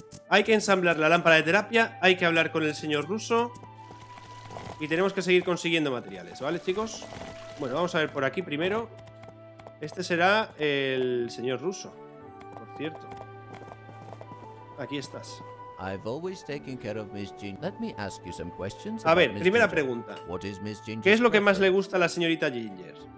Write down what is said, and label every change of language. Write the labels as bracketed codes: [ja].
[es] Hay que ensamblar la lámpara de terapia, hay que hablar con el señor ruso y tenemos que seguir consiguiendo materiales, ¿vale, chicos? Bueno, vamos a ver por aquí primero. Este será el señor ruso, por cierto. Aquí estás. [en] I've always taken care of Miss Ginger. Let me ask you some questions. [es] A ver, primera pregunta. [en] What is Miss Ginger? [es] ¿Qué es lo que más le gusta a la señorita Ginger?